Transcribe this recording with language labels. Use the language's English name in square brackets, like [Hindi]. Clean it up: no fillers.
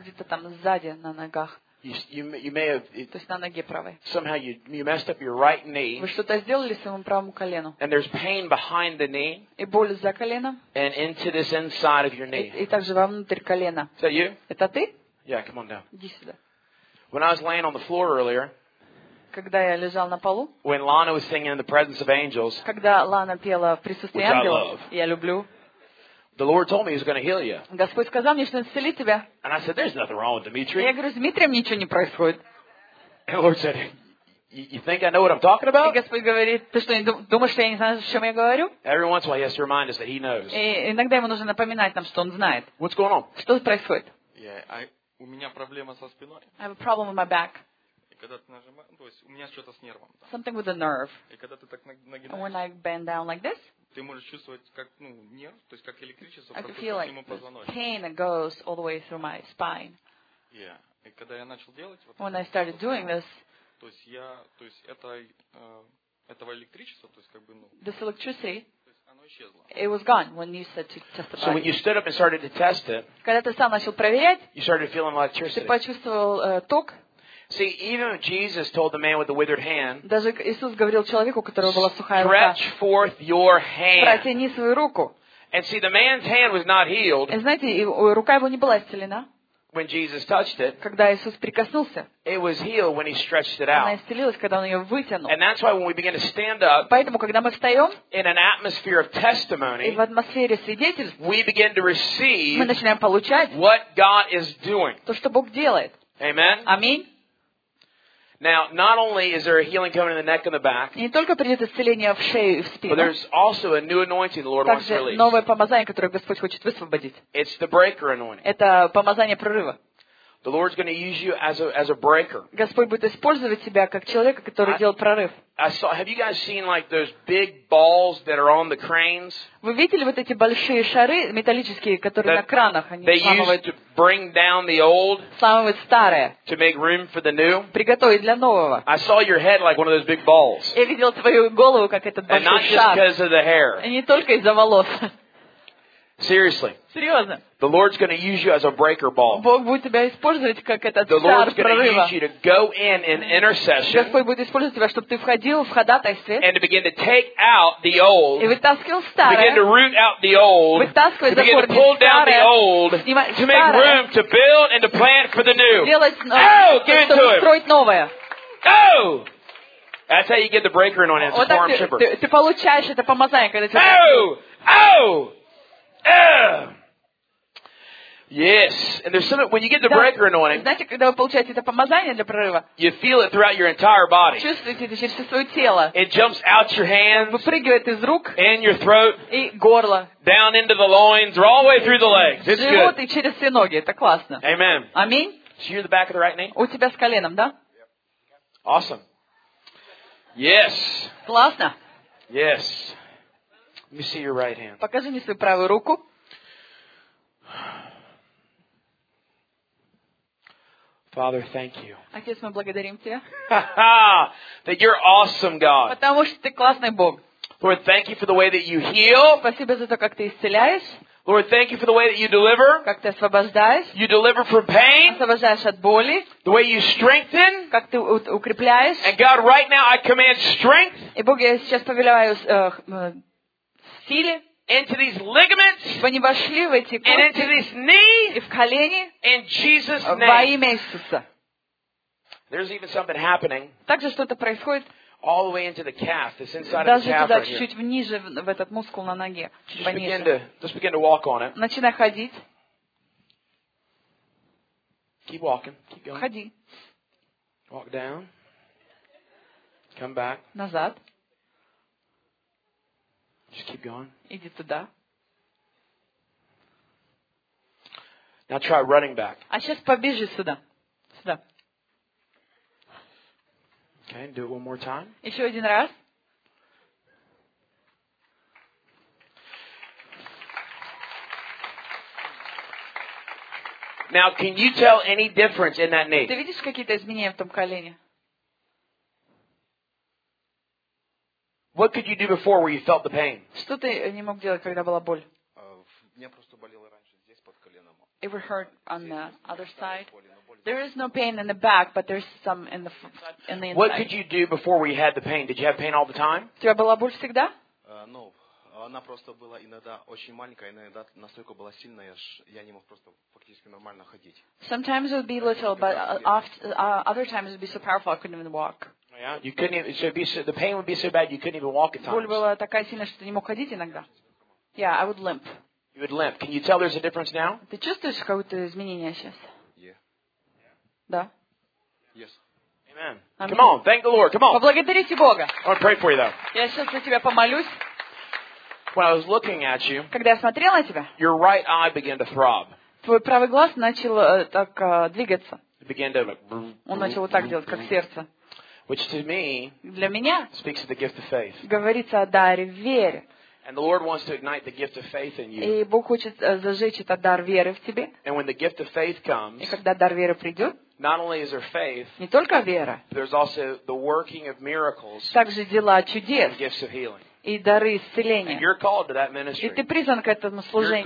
[Russian] Где-то там сзади на ногах. [English] You may have. [Russian] То есть на ноге правой. [English] Somehow you messed up your right knee. [Russian] Вы что-то сделали своему правому колену. [English] And there's pain behind the knee. [Russian] И боль за коленом. [English] And into this inside of your knee. [Russian] И также вовнутрь колена. [English] Is that you? [Russian] Это ты? [English] Yeah, come on down. [Russian] Иди сюда. [English] When I was laying on the floor earlier. [Russian] Когда я лежал на полу. [English] When Lana was singing in the presence of angels. [Russian] Когда Лана пела в присутствии ангелов. Я люблю. [English] The Lord told me He's going to heal you. [Russian] Господь сказал мне, что Он исцелит тебя. [English] And I said, "There's nothing wrong with Dimitri." [Russian] Я говорю, с Дмитрием ничего не происходит. [English] And the Lord said, "You think I know what I'm talking about?" [Russian] И Господь говорит, ты что, думаешь, что я не знаю, о чем я говорю? [English] Every once in a while, He has to remind us that He knows. [Russian] И иногда ему нужно напоминать нам, что он знает. [English] What's going on? [Russian] Что происходит? У меня проблема со спиной. [English] I have a problem with my back. [Russian] И когда ты нажимаешь, то есть у меня что-то с нервом. [English] Something with the nerve. [Russian] И когда ты так нагибаешься. [English] When I bend down like this. [Russian] Ты можешь чувствовать как нерв, то есть как электричество проходит по всему позвоночнику. [English] Pain that goes all the way through my spine. Yeah. [Russian] И когда я начал делать вот [English] When I started doing this. [Russian] То есть я, то есть это этого электричества, то есть как бы [English] This electricity. [Russian] То есть оно [English] It was gone when you said to testify. So when you stood up and started to test it, [Russian] когда ты сам начал проверять, [English] you started feeling electricity. [Russian] Ты почувствовал ток. [English] See, even Jesus told the man with the withered hand, [Russian] даже Иисус говорил человеку, у которого была сухая рука, [English] stretch forth your hand. [Russian] Протяни свою руку. [English] And see, the man's hand was not healed. [Russian] И знаете, рука его не была исцелена. [English] When Jesus touched it, [Russian] когда Иисус прикоснулся, [English] it was healed when he stretched it out. [Russian] Она исцелилась, когда он ее вытянул. [English] And that's why when we begin to stand up, [Russian] поэтому когда мы встаем, [English] in an atmosphere of testimony, [Russian] и в атмосфере свидетельств, [English] we begin to receive, [Russian] мы начинаем получать, [English] what God is doing. [Russian] То, что Бог делает. [English] Amen. [Russian] Аминь. [English] Now, not only is there a healing coming in the neck and the back, [Russian] не только придет исцеление в шею и в спину, [English] but there's also a new anointing the Lord wants to release. [Russian] Новое помазание, которое Господь хочет высвободить. [English] It's the breaker anointing. [Russian] Это помазание прорыва. [English] The Lord's going to use you as a breaker. [Russian] Господь будет использовать тебя как человека, который делает прорыв. [English] Have you guys seen like those big balls that are on the cranes? [Russian] Вы видели вот эти большие шары металлические, которые на кранах они [English] They use to bring down the old. [Russian] Сламывают старое. [English] To make room for the new. [Russian] Приготовить для нового. [English] I saw your head like one of those big balls. [Russian] Я видел твою голову как этот большой шар. [English] And not just because of the hair. [Russian] И не только из-за волос. [English] Seriously. [Russian] Серьезно. [English] The Lord's going to use you as a breaker ball. [Russian] Бог будет тебя использовать как этот шар прорыва. [English] The Lord's going to use you to go in intercession. [Russian] Господь будет использовать тебя, чтобы ты входил в ходатайстве. [English] And to begin to take out the old. [Russian] И вытаскивал старое. [English] Begin to root out the old. [Russian] Вытаскивать старое. [English] Begin to pull down the old. To make room to build and to plant for the new. [Russian] Делать новое. [English] Oh, give it to him. [Russian] Строить новое. [English] Oh. That's how you get the breaker anointing. It's a farm shipper. [Russian] Ты получаешь это помазание, когда ты. Oh, oh. [English] Yes, and there's something when you get the breaker anointing. [Russian] Знаете, когда вы получаете это помазание для прорыва? [English] You feel it throughout your entire body. [Russian] Чувствуете это через все свое тело. [English] It jumps out your hands. [Russian] Выпрыгивает из рук. [English] In your throat. [Russian] И горло. [English] Down into the loins, or all the way through the legs. It's good. [Russian] Живот и через все ноги. Это классно. [English] Amen. [Russian] Аминь. [English] So you're the back of the right knee. [Russian] У тебя с коленом, да? [English] Awesome. Yes. [Russian] Классно. [English] Yes. Let me see your right hand. [Russian] Покажи мне свою правую руку. [English] Father, thank you. [Russian] Отец, мы благодарим тебя. [English] That you're awesome, God. [Russian] Потому что ты классный Бог. [English] Lord, thank you for the way that you heal. [Russian] Спасибо за то, как ты исцеляешь. [English] Lord, thank you for the way that you deliver. [Russian] Как ты освобождаешь. [English] You deliver from pain. [Russian] Освобождаешь от боли. [English] The way you strengthen. [Russian] Как ты укрепляешь. [English] And God, right now I command strength. [Russian] И Бог, я сейчас повелеваю [English] Into these ligaments, [Russian] чтобы они вошли в эти кости, [English] and into this knee, [Russian] и в колени, [English] in Jesus' name. [Russian] Во имя Иисуса. [English] There's even something happening. [Russian] Также что-то происходит. [English] All the way into the calf, this inside of the calf [Russian] Даже туда чуть-чуть вниже в этот мускул на ноге. [English] Just begin to walk on it. [Russian] Начинай ходить. [English] Keep walking. Keep going. [Russian] Ходи. [English] Walk down. Come back. [Russian] Назад. [English] Just keep going. [Russian] Иди туда. [English] Now try running back. [Russian] А сейчас побежи сюда. Сюда. [English] Okay, do it one more time. [Russian] Еще один раз. [English] Now, can you tell any difference in that knee? [Russian] Ты видишь какие-то изменения в том колене? [English] What could you do before where you felt the pain? [Russian] Что ты не мог делать, когда была боль? Мне просто болело раньше здесь под коленом. [English] It would hurt on the other side. There is no pain in the back, but there's some in the inside. What could you do before where you had the pain? Did you have pain all the time? [Russian] У тебя была боль всегда? Ну, она просто была иногда очень маленькая, иногда настолько была сильная, я не мог просто фактически нормально ходить. [English] Sometimes it would be little, but other times it would be so powerful I couldn't even walk. Yeah, you couldn't even. The pain would be so bad you couldn't even walk at times. [Russian] Боль была такая сильная, что ты не мог ходить иногда. [English] Yeah, I would limp. You would limp. Can you tell there's a difference now? [Russian] Ты чувствуешь какое-то изменение сейчас? [English] Yeah. [Russian] Да. [English] Yes. Amen. Come on, thank the Lord. Come on. [Russian] Поблагодарите Бога. [English] I want to pray for you though. [Russian] Я сейчас за тебя помолюсь. [English] When I was looking at you, [Russian] когда я смотрел на тебя, [English] your right eye began to throb. [Russian] Твой правый глаз начал так двигаться. [English] It began to. [Russian] Он начал вот так делать, как сердце. [English] Which to me [Russian] для меня [English] speaks of the gift of faith. [Russian] Говорится о даре веры. [English] And the Lord wants to ignite the gift of faith in you. [Russian] И Бог хочет зажечь этот дар веры в тебе. [English] And when the gift of faith comes, [Russian] и когда дар веры придет, [English] not only is there faith, [Russian] не только вера, [English] there's also the working of miracles, [Russian] также дела чудес, [English] and gifts of healing. [Russian] и дары исцеления. [English] And you're called to that ministry. [Russian] И ты призван к этому служению.